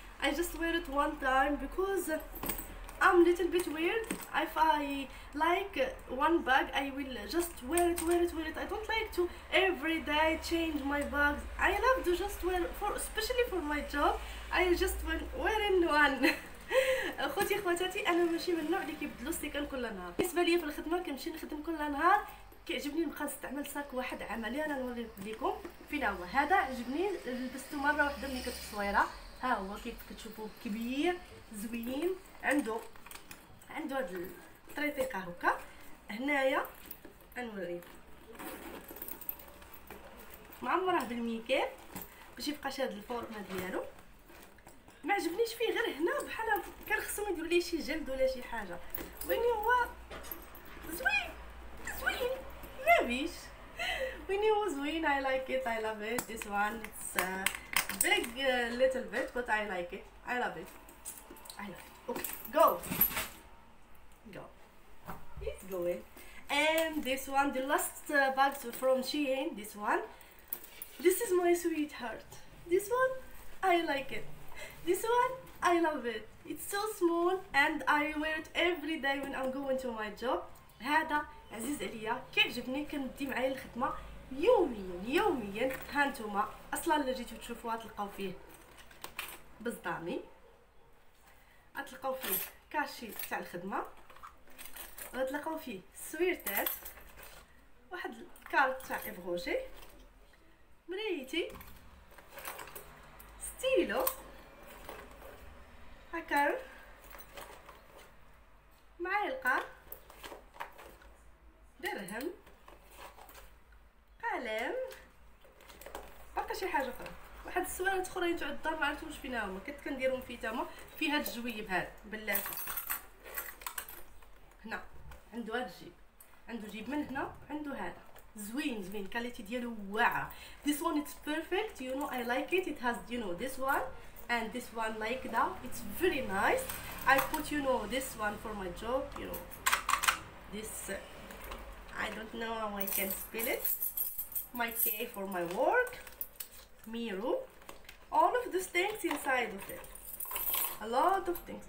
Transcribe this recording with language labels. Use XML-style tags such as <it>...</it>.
<en>I just wear it one time because I'm little bit weird. If I like one bag, I will just wear it. I don't like to every day change my bags. I love to just wear, for especially for my job, I just wearing one.</en> <ar>اخوتي اخواتاتي انا ماشي من النوع اللي كيبدلو السيكان كل نهار. بالنسبه ليا في الخدمه كنمشي نخدم كل نهار، كيعجبني نبقى نستعمل ساك واحد عملي. انا نوري لكم فين هو. هذا عجبني لبستو مره واحده ملي كنت صغيره. ها هو كيف كتشوفوا كبير زوين، عنده هاد الطريطيقه هكا هنايا. نوري معمره بالميكاب باش يبقى شاد الفورمه ديالو. ما عجبنيش فيه غير هنا، بحال كان خصهم يديروا ليه شي جلد ولا شي حاجه. ويني هو زوين زوين لابس، ويني هو زوين.</ar> <en>I like it. I love it. This one it's big little bit but I like it. I love it. I love it. Okay, go. Go. It's going. And this one, the last bag from SHEIN. This one. This is my sweetheart. This one I like it. This one I love it. It's so small and I wear it every day when I'm going to my job.</en> <ar>هذا عزيز عليا، كيعجبني كندي معايا الخدمه يوميا. ها نتوما اصلا اللي جيتو تشوفوها تلقاو فيه بزطامي، غتلقاو فيه كاشي تاع الخدمه، غتلقاو فيه سويرتات، واحد الكارت تاع ايفروجي، مرايتي، ستيلو هكا، معلقه، درهم، قلم، بقى شي حاجه اخرى، واحد السوانت اخرين تاع الدار ما عرفتوش فين هما، كنت كنديرهم فيه تما في هاد الجويب هذا بلاتة. هنا عنده هاد الجيب، عنده جيب من هنا، عنده هذا زوين زوين، كاليتي ديالو واعره.</ar> <en>This one it's perfect, you know I like it. It has you know this one and this one like that. It's very nice. I put, you know, this one for my job, you know, this I don't know how I can spell it, my key for my work, mirror, all of these things inside of it, a lot of things.</en>